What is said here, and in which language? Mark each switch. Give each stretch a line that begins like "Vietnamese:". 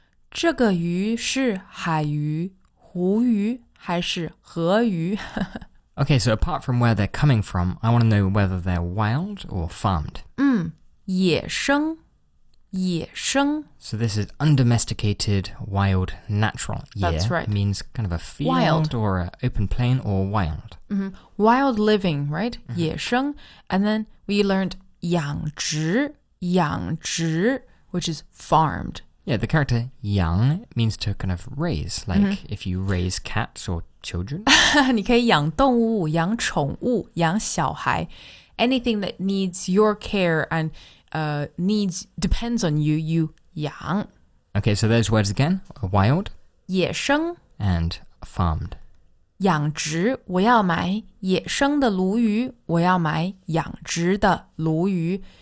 Chinese: 这个鱼是海鱼、湖鱼还是河鱼?
English: Okay, so apart from where they're coming from, I want to know whether they're wild or farmed.
Chinese: 野生,野生。
English: So this is undomesticated, wild, natural. That's right. Means kind of a field wild. Or an open plain or wild. Mm-hmm. Wild living, right? 野生。 And then we learned 养殖,养殖, which is farmed. Yeah, the character 养 means to kind of raise, like if you raise cats or children.
Chinese: 你可以养动物,养宠物,养小孩。
English: Anything that needs your care and depends on you, you 养. Okay, so those words again, wild.
Chinese: 野生.
English: And farmed.
Chinese: 养殖,我要买野生的鲈鱼,我要买养殖的鲈鱼.